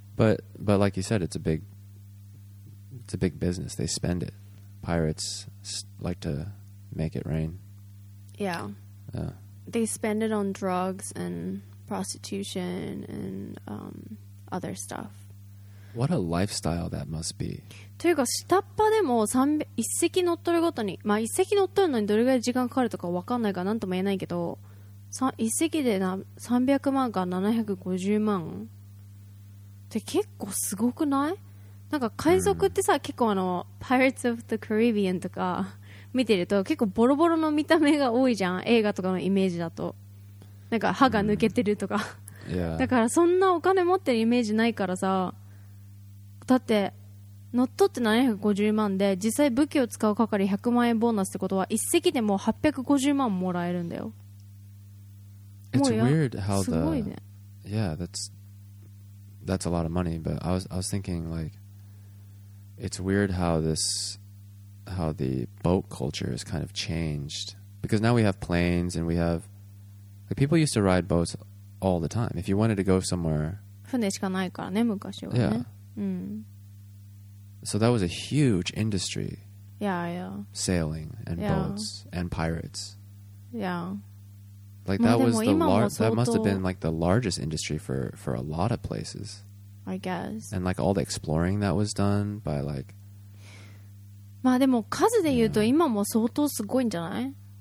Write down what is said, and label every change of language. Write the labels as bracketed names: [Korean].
[English] But like you said, it's a big business. They spend it. Pirates like to make it rain. Yeah. They spend it on drugs and prostitution and other stuff. What a lifestyle that must be. [Japanese] というか下っ端でも一隻乗っ取るごとに、まあ一隻乗っ取るのにどれぐらい時間かかるとかわかんないからなんとも言えないけど、一隻で300万か750万って結構すごくない？なんか海賊ってさ、結構Pirates of the Caribbean とか見てると結構ボロボロの見た目が多いじゃん、映画とかのイメージだと。なんか歯が抜けてるとか、だからそんなお金持ってるイメージないからさ、だって乗っ取って750万で実際武器を使う係100万円ボーナスってことは一隻でもう850万もらえるんだよ。 [English] It's weird how the that's a lot of money. But I was thinking like it's weird how the boat culture has kind of changed, because now we have planes and we have like people used to ride boats all the time. If you wanted to go somewhere, [Japanese] 船しかないからね昔はね。 [English] So that was a huge industry. Yeah, yeah. Sailing and yeah. boats and pirates. Yeah. Like that was the that must have been like the largest industry for a lot of places. I guess. And like all the exploring that was done by like. [Japanese] まあでも数で言うと今も相当すごいんじゃない？